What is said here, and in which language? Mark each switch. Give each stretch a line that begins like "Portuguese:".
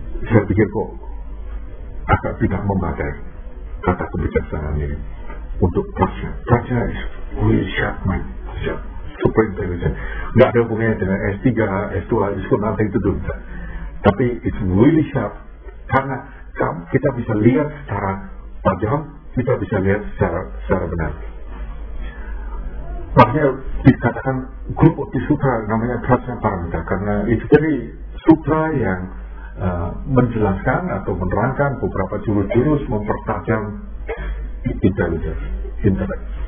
Indonesian: Saya pikir kok agak tidak memadai kata kebijaksanaan ini untuk prajna.
English: Prajna is really sharp mind, super intelligence.
Indonesian: Nggak ada hubungannya dengan S3, S2, S4,
English: nothing to do.
Indonesian: Tapi
English: it's really sharp
Indonesian: karena kita bisa lihat secara tajam, kita bisa lihat secara benar. Makanya dikatakan grup di sutra namanya prajna paramita, karena itu dari sutra yang menjelaskan atau menerangkan beberapa jurus-jurus mempertajam intelek.